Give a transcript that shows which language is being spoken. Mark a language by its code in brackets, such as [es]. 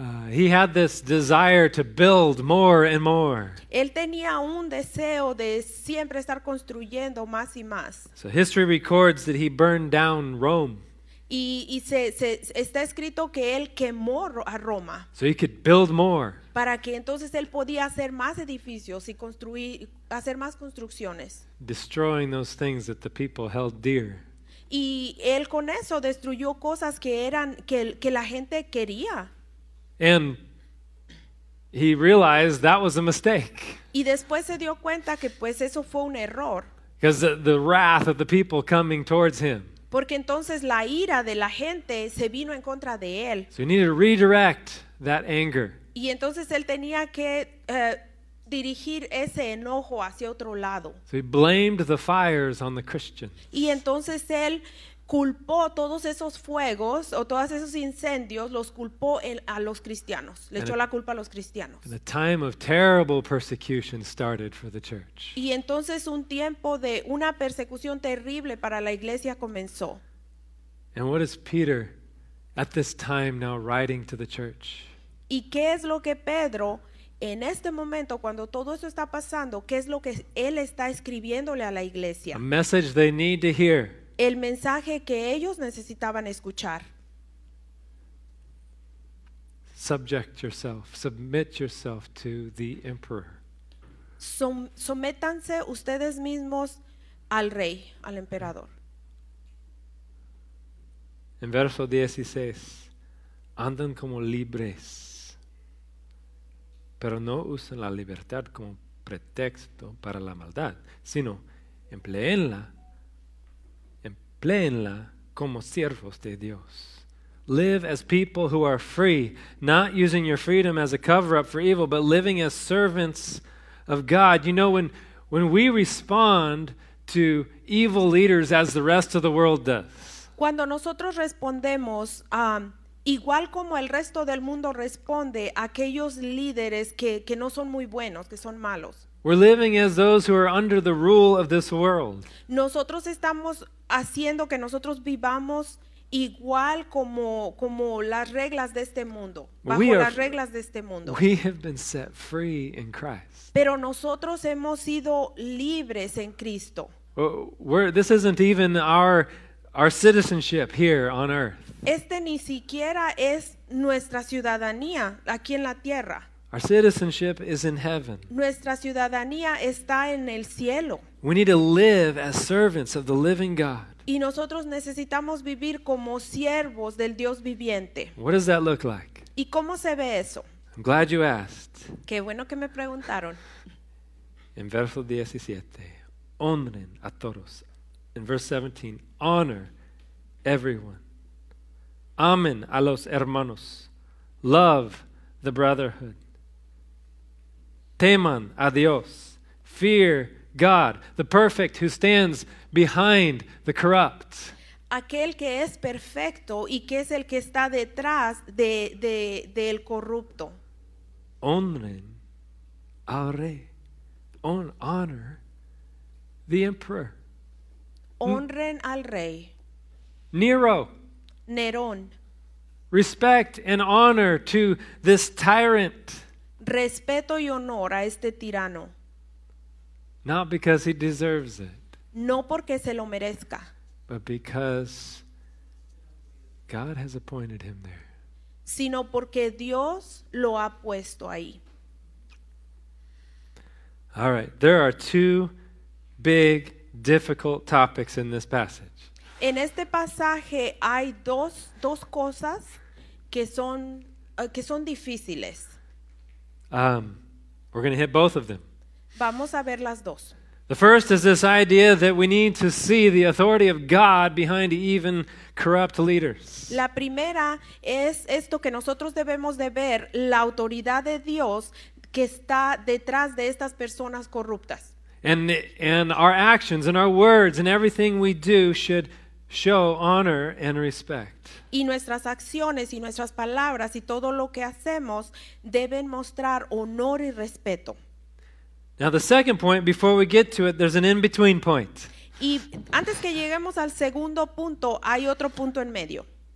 [en] He had this desire to build more and more. [es] Él tenía un deseo de siempre estar construyendo más y más. [en] So history records that he burned down Rome. [es] Y está escrito que él quemó a Roma. [en] So he could build more. [es] Para que entonces él podía hacer más edificios y construir, hacer más construcciones. [en] Destroying those things that the people held dear. [es] Y él con eso destruyó cosas que eran que la gente quería. [en] And he realized that was a mistake. [es] Y después se dio cuenta que pues eso fue un error. [en] Because the wrath of the people coming towards him. [es] Porque entonces la ira de la gente se vino en contra de él. [en] So he needed to redirect that anger. [es] Y entonces él tenía que dirigir ese enojo hacia otro lado. [en] So he blamed the fires on the Christians. [es] Y entonces él culpó todos esos fuegos o todos esos incendios, los culpó a los cristianos. Le echó la culpa a los cristianos. [en] And the time of terrible persecution started for the church. [es] Y entonces un tiempo de una persecución terrible para la iglesia comenzó. [en] And what is Peter at this time now writing to the church? [es] ¿Y qué es lo que Pedro en este momento cuando todo eso está pasando, qué es lo que él está escribiéndole a la iglesia? [en] A message they need to hear. [es] El mensaje que ellos necesitaban escuchar. [en] Subject yourself, submit yourself to the emperor. [es] Sométanse ustedes mismos al rey, al emperador. En verso 16, andan como libres, pero no usen la libertad como pretexto para la maldad, sino empleenla como siervos de Dios. [en] Live as people who are free, not using your freedom as a cover-up for evil, but living as servants of God. You know, when we respond to evil leaders as the rest of the world does. [es] Cuando nosotros respondemos, igual como el resto del mundo responde a aquellos líderes que no son muy buenos, que son malos. [en] We're living as those who are under the rule of this world. [es] Nosotros estamos haciendo que nosotros vivamos igual como las reglas de este mundo, reglas de este mundo. [en] We have been set free in Christ. [es] Pero nosotros hemos sido libres en Cristo. [en] This isn't even our citizenship here on earth. [es] Este ni siquiera es nuestra ciudadanía aquí en la tierra. [en] Our citizenship is in heaven. [es] Nuestra ciudadanía está en el cielo. [en] We need to live as servants of the living God. [es] Y nosotros necesitamos vivir como siervos del Dios viviente. [en] What does that look like? [es] ¿Y cómo se ve eso? [en] I'm glad you asked. [es] Qué bueno que me preguntaron. En verso 17, honren a todos. En verso 17, [en] honor everyone. [es] Amen a los hermanos. [en] Love the brotherhood. [es] Teman a Dios. [en] Fear God, the perfect who stands behind the corrupt. [es] Aquel que es perfecto y que es el que está detrás del corrupto. Honren al rey. [en] Honor the emperor. [es] Honren al rey. [en] Nero. [es] Nerón. [en] Respect and honor to this tyrant. [es] Respeto y honor a este tirano. [en] Not because he deserves it. [es] No porque se lo merezca. [en] But because God has appointed him there. [es] Sino porque Dios lo ha puesto ahí. [en] All right, there are two big, difficult topics in this passage. [es] En este pasaje hay dos cosas que son difíciles. [en] We're going to hit both of them. [es] Vamos a ver las dos. [en] The first is this idea that we need to see the authority of God behind even corrupt leaders. [es] La primera es esto que nosotros debemos de ver, la autoridad de Dios que está detrás de estas personas corruptas. [en] And our actions and our words and everything we do should show honor and respect. [es] Y nuestras acciones y nuestras palabras y todo lo que hacemos deben mostrar honor y respeto. [en] Now the second point, before we get to it, there's an in-between point. [es] Y antes que lleguemos al segundo punto, hay otro punto en medio.